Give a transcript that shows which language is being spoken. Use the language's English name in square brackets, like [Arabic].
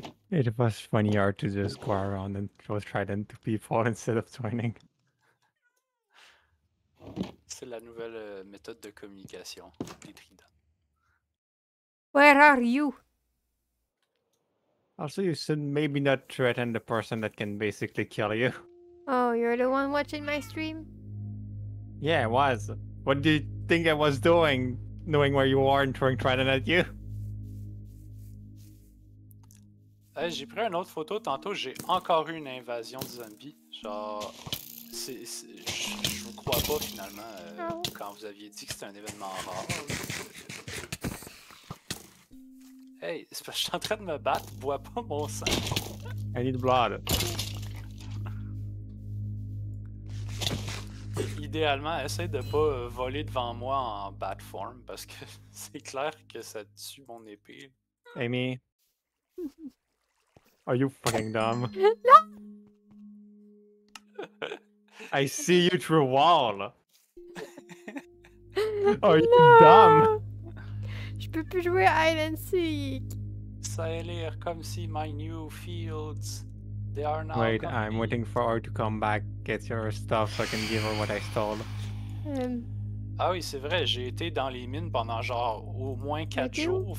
[English] It was funnier to just go around and throw trident to people instead of joining. [French] C'est la nouvelle méthode de communication des tridents. [English] Where are you? Also, you should maybe not threaten the person that can basically kill you. Oh, you're the one watching my stream? Yeah, I was. What do you think I was doing, knowing where you are and throwing trident at you? [French] J'ai pris une autre photo tantôt, j'ai encore eu une invasion de zombies. Genre, je vous crois pas finalement quand vous aviez dit que c'était un événement rare. Hey, c'est parce que je suis en train de me battre, bois pas mon sang. [English] I need blood. [French] Idéalement, essaye de pas voler devant moi en bat form parce que c'est clair que ça tue mon épée. [English] Amy. Are you fucking dumb? [French] Non! [English] I see you through a wall! Are you dumb? [French] Je peux plus jouer à Hide and Seek! Ça a l'air comme si [English] my new fields. They are now. Wait, I'm waiting for her to come back, get your stuff so I can give her what I stole. [French] Ah oui, c'est vrai, j'ai été dans les mines pendant genre au moins 4 jours.